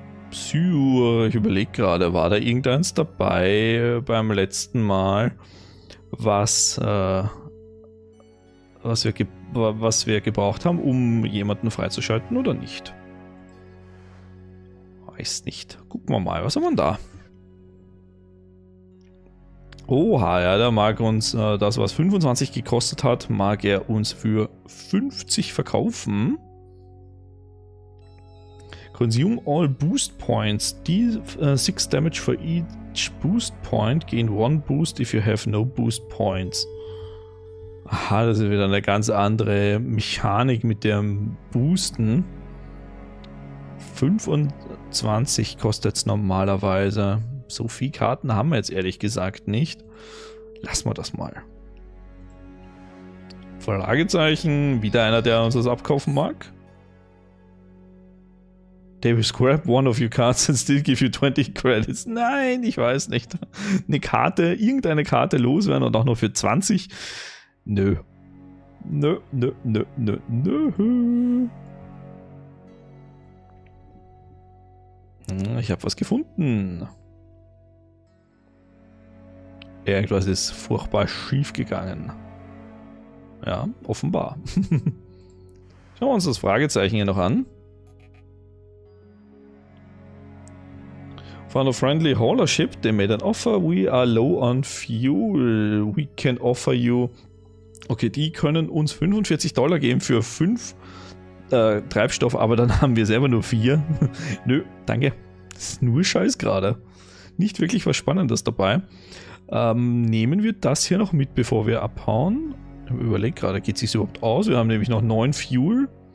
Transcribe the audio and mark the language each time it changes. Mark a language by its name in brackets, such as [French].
[German] Ich überlege gerade, war da irgendeins dabei beim letzten Mal, was wir gebraucht haben, um jemanden freizuschalten oder nicht? Weiß nicht. Gucken wir mal, was haben wir da? Oha, ja, der mag uns das, was 25 gekostet hat, mag er uns für 50 verkaufen. [English] Consume all boost points. Deal 6 damage for each boost point. Gain 1 boost if you have no boost points. [German] Aha, das ist wieder eine ganz andere Mechanik mit dem Boosten. 25 kostet es normalerweise. So viele Karten haben wir jetzt ehrlich gesagt nicht. Lassen wir das mal. Fragezeichen. Wieder einer, der uns das abkaufen mag. [English] They will scrap one of your cards and still give you 20 credits. [German] Nein, ich weiß nicht. Eine Karte, irgendeine Karte loswerden und auch nur für 20. Nö. Nö, nö, nö, nö, nö. Ich habe was gefunden. Irgendwas ist furchtbar schief gegangen. Ja, offenbar. Schauen wir uns das Fragezeichen hier noch an. [English] Found a friendly hauler ship, they made an offer. We are low on fuel. We can offer you. [German] Okay, die können uns $45 geben für 5 Treibstoff, aber dann haben wir selber nur 4. Nö, danke. Das ist nur Scheiß gerade. Nicht wirklich was Spannendes dabei. Nehmen wir das hier noch mit, bevor wir abhauen. Ich überlege gerade, geht es sich überhaupt aus? Wir haben nämlich noch 9 Fuel.